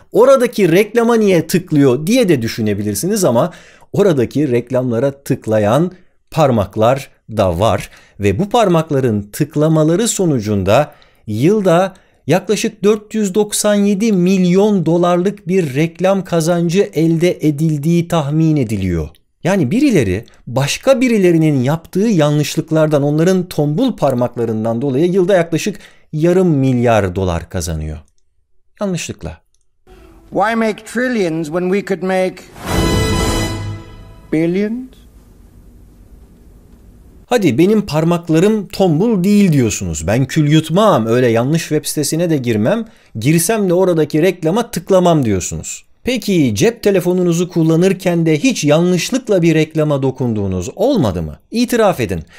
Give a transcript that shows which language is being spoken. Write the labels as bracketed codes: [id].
[tr] Oradaki reklama niye tıklıyor diye de düşünebilirsiniz ama oradaki reklamlara tıklayan parmaklar da var ve bu parmakların tıklamaları sonucunda yılda yaklaşık 497 milyon dolarlık bir reklam kazancı elde edildiği tahmin ediliyor. Yani birileri başka birilerinin yaptığı yanlışlıklardan, onların tombul parmaklarından dolayı yılda yaklaşık yarım milyar dolar kazanıyor. Yanlışlıkla. [en] Why make trillions when we could make billions? [tr] Hadi benim parmaklarım tombul değil diyorsunuz. Ben kül yutmam, öyle yanlış web sitesine de girmem. Girsem de oradaki reklama tıklamam diyorsunuz. Peki cep telefonunuzu kullanırken de hiç yanlışlıkla bir reklama dokunduğunuz olmadı mı? İtiraf edin.